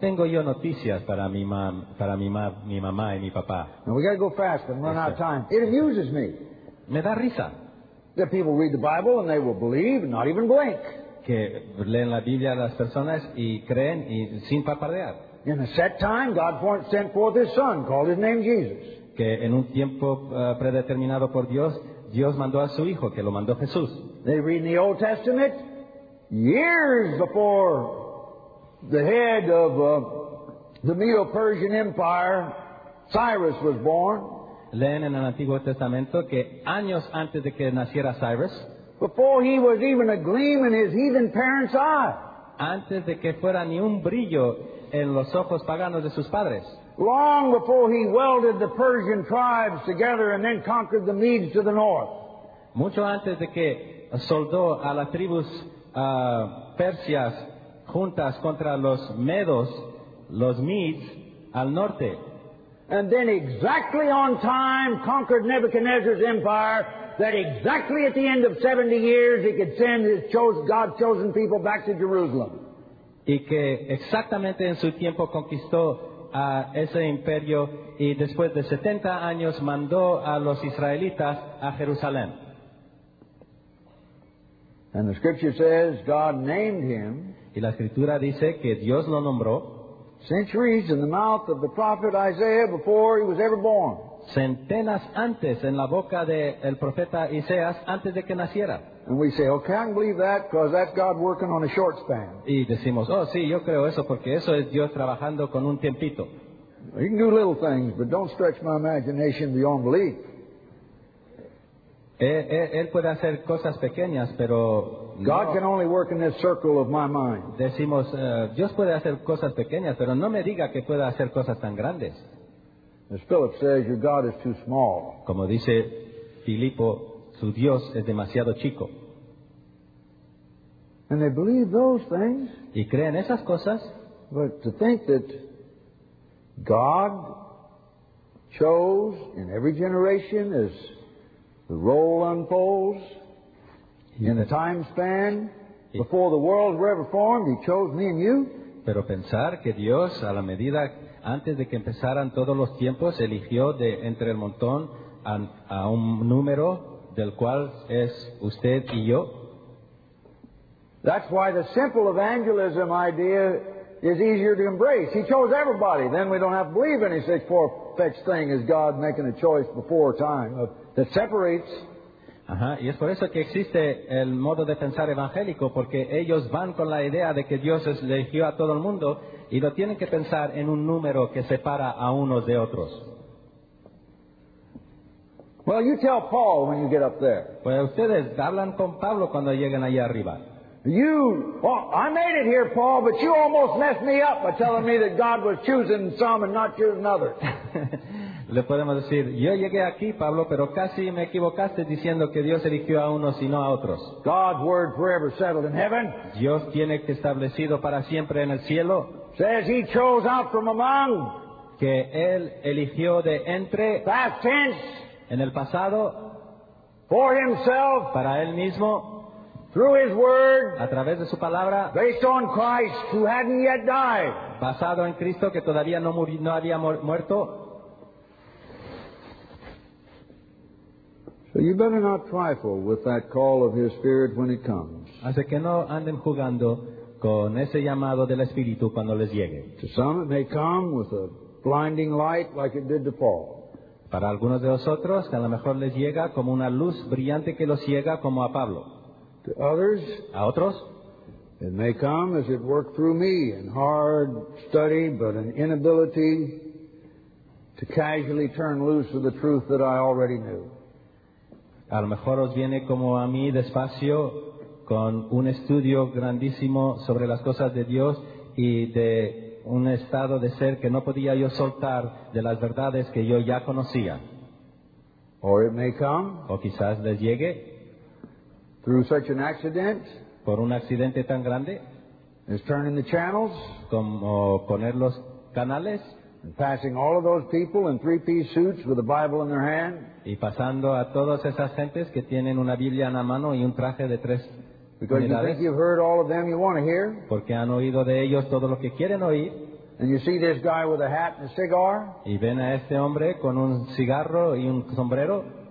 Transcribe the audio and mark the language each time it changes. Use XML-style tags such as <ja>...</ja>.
<es>Tengo yo noticias para mi mamá y mi papá.</es> <en>Now we got to go fast and run out of time. It amuses me.</en> <es>Me da risa.</es> <en>That people read the Bible and they will believe, not even blink.</en> <es>Que leen la Biblia las personas y creen y sin parpadear.</es> <en>In a set time, God sent forth His Son, called His name Jesus.</en> <es>Que en un tiempo predeterminado por Dios, Dios mandó a su Hijo, que lo mandó Jesús.</es> <en>They read in the Old Testament years before the head of the Medo-Persian Empire, Cyrus, was born.</en> <es>Leen en el Antiguo Testamento que años antes de que naciera Cyrus,</es> <en>before he was even a gleam in his heathen parents' eye,</en> <es>antes de que fuera ni un brillo en los ojos paganos de sus padres,</es> <en>long before he welded the Persian tribes together and then conquered the Medes to the north,</en> <es>mucho antes de que soldó a las tribus persias juntas contra los medos, los medes, al norte.</es> <en>And then exactly on time conquered Nebuchadnezzar's empire, that exactly at the end of 70 years he could send his God's chosen people back to Jerusalem.</en> <es>Y que exactamente en su tiempo conquistó a ese imperio y después de 70 años mandó a los israelitas a Jerusalén.</es> <en>And the scripture says God named him.</en> <es>Y la escritura dice que Dios lo nombró.</es> <en>Centuries in the mouth of the prophet Isaiah before he was ever born.</en> <es>Centenas antes en la boca del profeta Isaías antes de que naciera.</es> <en>And we say, okay, I can believe that because that's God working on a short span.</en> <es>Y decimos, oh sí, yo creo eso porque eso es Dios trabajando con un tiempito.</es> <en>You can do little things, but don't stretch my imagination beyond belief.</en> <es>Él puede hacer cosas pequeñas, pero</es> <en>God can only work in this circle of my mind.</en> <es>Decimos, Dios puede hacer cosas pequeñas, pero no me diga que pueda hacer cosas tan grandes.</es> <en>As Philip says, your God is too small.</en> <es>Como dice Filipo, su Dios es demasiado chico.</es> <en>And they believe those things.</en> <es>Y creen esas cosas.</es> <en>But to think that God chose in every generation as the role unfolds, in the time span before the world were ever formed, he chose me and you.</en> <es>Pero pensar que Dios, a la medida antes de que empezaran todos los tiempos, eligió de entre el montón a un número del cual es usted y yo.</es> <en>That's why the simple evangelism idea is easier to embrace. He chose everybody. Then we don't have to believe any such far-fetched thing as God making a choice before time that separates.</en> <es>Ajá, y es por eso que existe el modo de pensar evangélico, porque ellos van con la idea de que Dios eligió a todo el mundo y no tienen que pensar en un número que separa a unos de otros.</es> <en>Well, you tell Paul when you get up there.</en> <es>Pues ustedes hablan con Pablo cuando lleguen allá arriba.</es> <en>You, well, I made it here, Paul, but you almost messed me up by telling me that God was choosing some and not choosing others.</en> <es>Le podemos decir, yo llegué aquí, Pablo, pero casi me equivocaste diciendo que Dios eligió a unos y no a otros.</es> <en>God's word forever settled in heaven.</en> <es>Dios tiene que establecido para siempre en el cielo.</es> <en>Says he chose out from among.</en> <es>Que él eligió de entre.</es> <en>Past tense.</en> <es>En el pasado.</es> <en>For himself.</en> <es>Para él mismo.</es> <en>Through his word.</en> <es>A través de su palabra.</es> <en>Based on Christ who hadn't yet died.</en> <es>Basado en Cristo que todavía no había muerto.</es> <en>So you better not trifle with that call of His Spirit when it comes.</en> <es>Así que no anden jugando con ese llamado del Espíritu cuando les llegue.</es> <en>To some it may come with a blinding light like it did to Paul.</en> <es>Para algunos de nosotros, a lo mejor les llega como una luz brillante que los ciega como a Pablo.</es> <en>To others,</en> <es>a otros,</es> <en>it may come as it worked through me in hard study, but an inability to casually turn loose of the truth that I already knew.</en> <es>A lo mejor os viene como a mí despacio con un estudio grandísimo sobre las cosas de Dios y de un estado de ser que no podía yo soltar de las verdades que yo ya conocía.</es> <en>Or it may come,</en> <es>o quizás les llegue</es> <en>through such an accident,</en> <es>por un accidente tan grande</es> <en>as turning the channels,</en> <es>como poner los canales.</es> <en>And passing all of those people in three-piece suits with a Bible in their hand.</en> <es>Y pasando a todas esas gentes que tienen una Biblia en la mano y un traje de tres.</es> <en>Because</en> <es>unidades.</es> <en>You think you've heard all of them you want to hear.</en> <es>Porque han oído de ellos todo lo que quieren oír.</es> <en>And you see this guy with a hat and a cigar.</en> <es>Y ven a este hombre con un cigarro y un sombrero.</es>